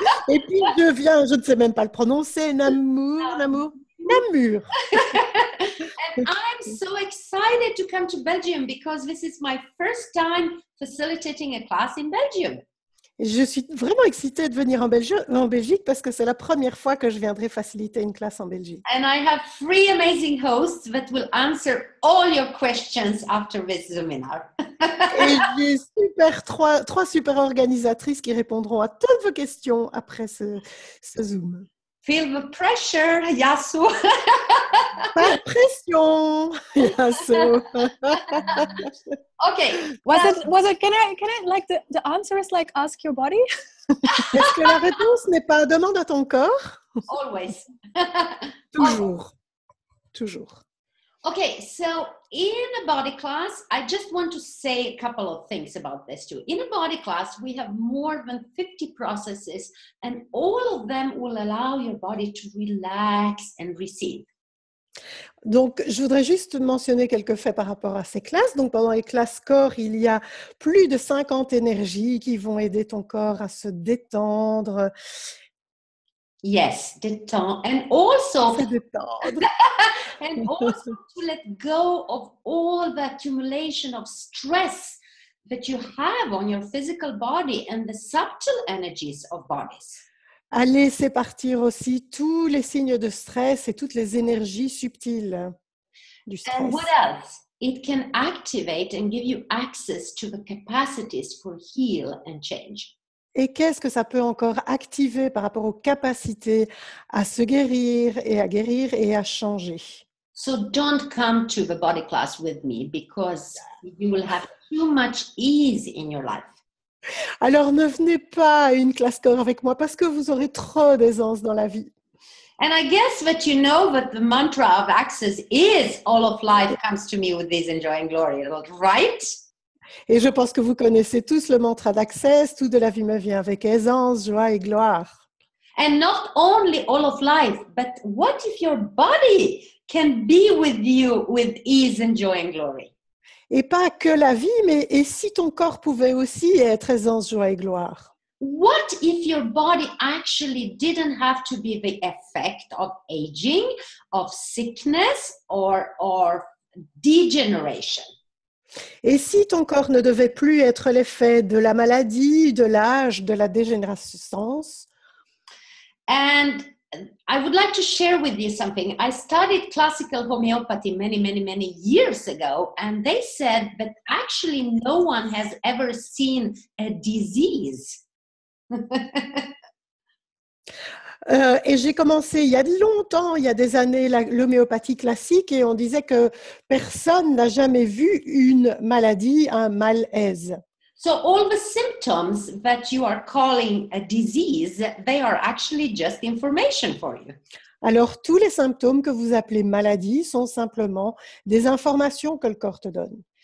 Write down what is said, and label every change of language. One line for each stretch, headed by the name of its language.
French: Et puis je viens, je ne sais même pas le prononcer, Namur.
English: And I'm so excited to come to Belgium because this is my first time facilitating a class in Belgium.
French: Je suis vraiment excitée de venir en Belgique parce que c'est la première fois que je viendrai faciliter une classe en Belgique.
English: And I have three amazing hosts that will answer all your questions after this seminar.
French: Et j'ai trois super organisatrices qui répondront à toutes vos questions après ce Zoom.
English: Feel the pressure, Yasu.
French: Pas de pression, Yasu.
English: Okay. Can I, the answer is like ask your body?
French: Est-ce que la réponse n'est pas demande à ton corps?
English: Always.
French: Toujours.
English: Always.
French: Toujours.
English: Okay, so in a body class, I just want to say a couple of things about this too. In a body class, we have more than 50 processes and all of them will allow your body to relax and receive.
French: Donc, je voudrais juste mentionner quelques faits par rapport à ces classes. Donc, pendant les classes corps, il y a plus de 50 énergies qui vont aider ton corps à se détendre.
English: Yes,
French: détendre.
English: And also...
French: Se détendre.
English: And also to let go of all the accumulation of stress that you have on your physical body and the subtle energies of bodies.
French: À laisser partir aussi tous les signes de stress et toutes les énergies subtiles du stress.
English: And what else? It can activate and give you access to the capacities for heal and change.
French: Et qu'est-ce que ça peut encore activer par rapport aux capacités à se guérir et à guérir et à changer?
English: So don't come to the body class with me because you will have too much ease in your life.
French: Alors ne venez pas à une classe corps avec moi parce que vous aurez trop d'aisance dans la vie.
English: And I guess that you know that the mantra of access is all of life comes to me with ease and joy and glory, right?
French: Et je pense que vous connaissez tous le mantra d'access, tout de la vie me vient avec aisance, joie et gloire.
English: And not only all of life, but what if your body can be with you with ease and joy and glory?
French: Et pas que la vie, mais et si ton corps pouvait aussi être aisance, joie et gloire?
English: What if your body actually didn't have to be the effect of aging, of sickness or degeneration?
French: Et si ton corps ne devait plus être l'effet de la maladie, de l'âge, de la dégénérescence?
English: And I would like to share with you something. I studied classical homeopathy many, many, many years ago, and they said that actually no one has ever seen a disease.
French: Et j'ai commencé il y a longtemps, il y a des années, l'homéopathie classique, et on disait que personne n'a jamais vu une maladie, un malaise.
English: So all the symptoms that you are calling a disease, they are actually just information for you.
French: Alors, tous les symptômes que vous appelez maladie sont simplement des informations que le corps te donne.